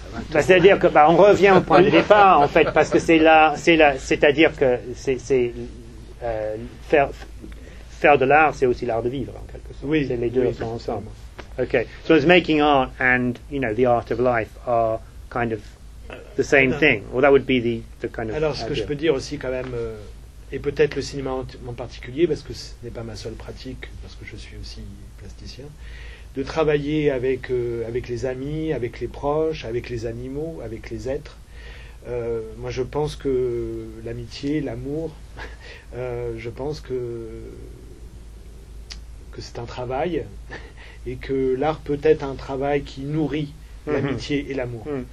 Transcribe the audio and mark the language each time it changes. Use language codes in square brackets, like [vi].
[fr] C'est-à-dire que on revient au point de départ en fait, parce que faire de l'art, c'est aussi l'art de vivre en quelque sorte. Oui, c'est les deux sont ensemble. [en] Okay. So it's making art and, you know, the art of life are kind of the same thing. Well, that would be the kind of. [fr] Alors, ce que je peux dire aussi quand même, et peut-être le cinéma en particulier, parce que ce n'est pas ma seule pratique, parce que je suis aussi plasticien, de travailler avec les amis, avec les proches, avec les animaux, avec les êtres, Moi, je pense que l'amitié, l'amour, je pense que c'est un travail et que l'art peut être un travail qui nourrit l'amitié et l'amour.